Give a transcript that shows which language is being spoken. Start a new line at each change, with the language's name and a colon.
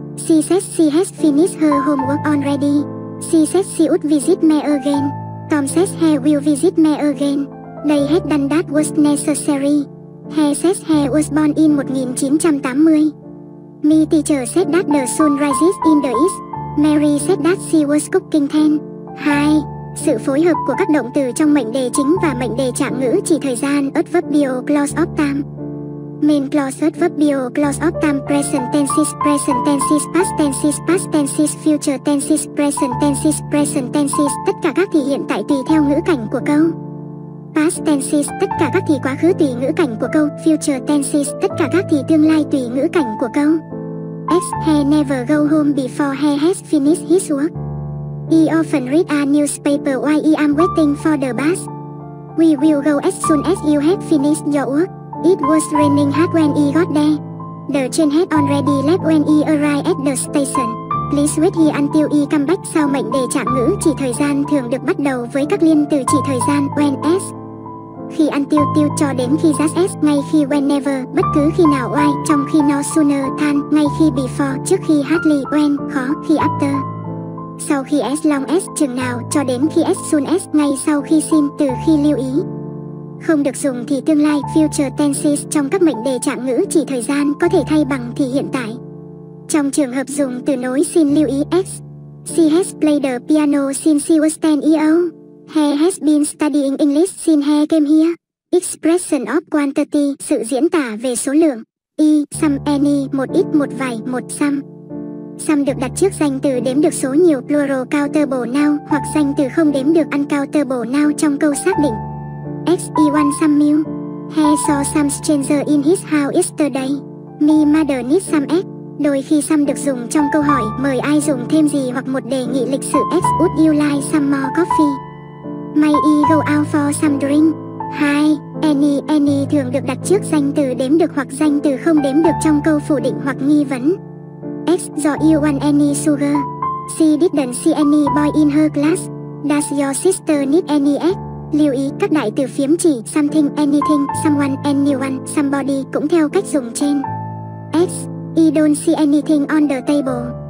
English: She said she has finished her homework already. She said she would visit me again. Tom says he will visit me again. They had done that was necessary. He says he was born in 1980. My teacher said that the sun rises in the east. Mary said that she was cooking then. 2.
Vietnamese: Sự phối hợp của các động từ trong mệnh đề chính và mệnh đề trạng ngữ chỉ thời gian,
English: adverbial clause of time. Main clause, adverbial clause of time, present tenses, past tenses, past tenses, future tenses, present tenses, present tenses,
Vietnamese: tất cả các thì hiện tại tùy theo ngữ cảnh của câu.
English: Past tenses,
Vietnamese: tất cả các thì quá khứ tùy ngữ cảnh của câu.
English: Future tenses,
Vietnamese: tất cả các thì tương lai tùy ngữ cảnh của câu.
English: X, he never go home before he has finished his work. He often read a newspaper while he am waiting for the bus. We will go as soon as you have finished your work. It was raining hard when he got there. The train had already left when he arrived at the station. Please wait here until he come back.
Vietnamese: Sau mệnh đề trạng ngữ chỉ thời gian thường được bắt đầu với các liên từ chỉ thời gian when as, khi, until, till, cho đến khi, just as, ngay khi, whenever, bất cứ khi nào, why, trong khi, no, sooner, than, ngay khi, before, trước khi, hardly, when, khó, khi, after, sau khi, as long as, chừng nào, cho đến khi, as soon as, ngay sau khi, xin, từ khi, lưu ý. Không được dùng thì tương lai,
English: future tenses,
Vietnamese: trong các mệnh đề trạng ngữ chỉ thời gian có thể thay bằng thì hiện tại. Trong trường hợp dùng từ nối xin lưu ý, S.
English: She has played the piano since she was 10 years old. He has been studying English since he came here. Expression of quantity,
Vietnamese: sự diễn tả về số lượng. E, some, any, một ít, một vài, một some. Some được đặt trước danh từ đếm được số nhiều,
English: plural countable noun,
Vietnamese: hoặc danh từ không đếm được,
English: uncountable noun
Vietnamese: trong câu xác định.
English: X, he won some meal. He saw some stranger in his house yesterday. My mother needs some eggs.
Vietnamese: Đôi khi some được dùng trong câu hỏi, mời ai dùng thêm gì hoặc một đề nghị lịch sự.
English: X, would you like some more coffee? May he go out for some drink? 2.
Vietnamese: Any thường được đặt trước danh từ đếm được hoặc danh từ không đếm được trong câu phủ định hoặc nghi vấn.
English: X, do you want any sugar? She didn't see any boy in her class. Does your sister need any eggs?
Vietnamese: Lưu ý, các đại từ phiếm chỉ, something, anything, someone, anyone, somebody, cũng theo cách dùng trên.
English: X, he don't see anything on the table.